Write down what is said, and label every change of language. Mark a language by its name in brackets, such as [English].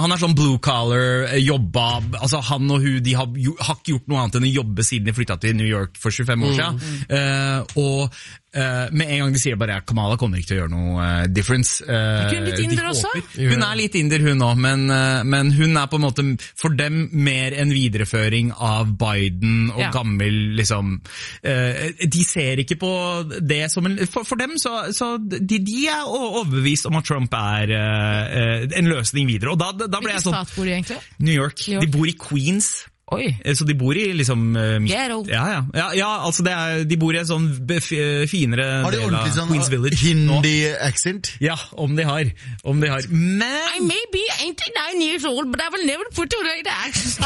[Norwegian] Han sånn blue collar jobba. Altså han og hun, de har ikke gjort noe annet enn å jobbe siden de flyttet til New York for 25 år siden. Og Med en gang de sier bare at Kamala kommer ikke til å gjøre noe difference. Hun er litt inder hun også, men hun er på en måte for dem mer en videreføring av Biden og gammel liksom. De ser ikke på det som en... For dem så de er overbevist om at Trump er en løsning videre. Og da ble jeg sånn... Hvilken stat bor de egentlig? New York. De bor i Queens. Oi. Så de bor i liksom... Ghetto. Ja, altså de bor i en sånn finere del av sånn Queens Village. Har de ordentlig sånn hindi-accent? Ja, om de har. Men... [English] I may be 89 years old, but I will never put the right accent.